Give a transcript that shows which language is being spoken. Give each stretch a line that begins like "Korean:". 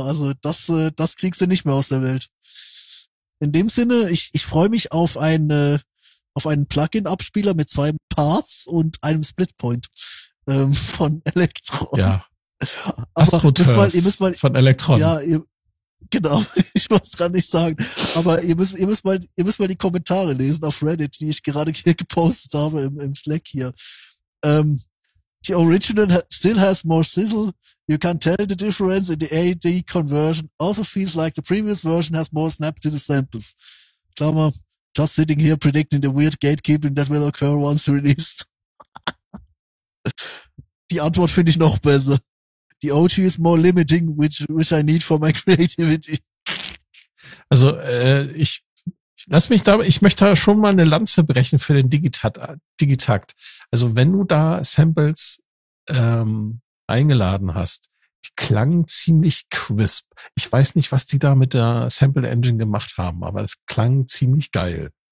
German: Also das kriegst du nicht mehr aus der Welt. In dem Sinne, ich freue mich auf einen Plugin-Abspieler mit 2 Parts und einem Splitpoint von Elektron. Ja. Ihr müsst mal von Elektron. Ja, genau. Ich muss gar nicht sagen. Aber ihr müsst mal die Kommentare lesen auf Reddit, die ich gerade hier gepostet habe im Slack hier.
English: The original still has more sizzle. You can tell the difference in the AD conversion. Also feels like the previous version has more snap to the samples. Klammer, just sitting here predicting the weird gatekeeping that will occur once released.
German: Die Antwort finde ich noch besser.
English: The OG is more limiting, which I need for my creativity.
German: Also, ich möchte da schon mal eine Lanze brechen für den Digitakt. Also, wenn du da Samples eingeladen hast, die klangen ziemlich crisp. Ich weiß nicht, was die da mit der Sample Engine gemacht haben, aber es klang ziemlich geil.